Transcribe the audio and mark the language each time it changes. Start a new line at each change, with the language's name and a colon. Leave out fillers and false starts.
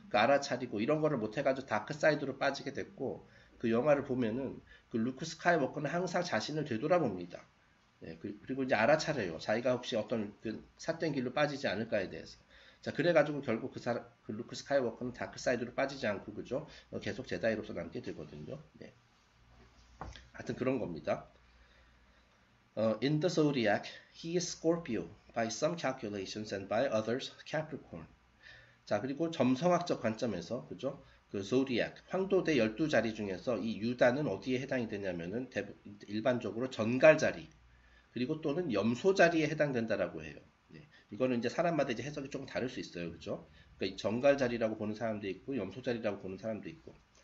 Korean: 그 알아차리고 이런 거를 못해가지고 다크사이드로 빠지게 됐고 그 영화를 보면은 그 루크 스카이워커는 항상 자신을 되돌아봅니다. 예, 그리고 이제 알아차려요. 자기가 혹시 어떤 그 삿된 길로 빠지지 않을까에 대해서. 자, 그래가지고 결국 그 루크 스카이워커는 다크사이드로 빠지지 않고 그죠? 계속 제다이로서 남게 되거든요. 네. 하여튼 그런 겁니다.
English: In the zodiac, he is Scorpio by some calculations and by others, Capricorn.
Korean: 자, 그리고 점성학적 관점에서 그죠? 그 zodiac 황도대 12자리 중에서 이 유다는 어디에 해당이 되냐면은 일반적으로 전갈 자리 그리고 또는 염소 자리에 해당된다라고 해요. 네. 이거는 이제 사람마다 이제 해석이 조금 다를 수 있어요, 그죠? 그러니까 이 전갈 자리라고 보는 사람도 있고 염소 자리라고 보는 사람도 있고.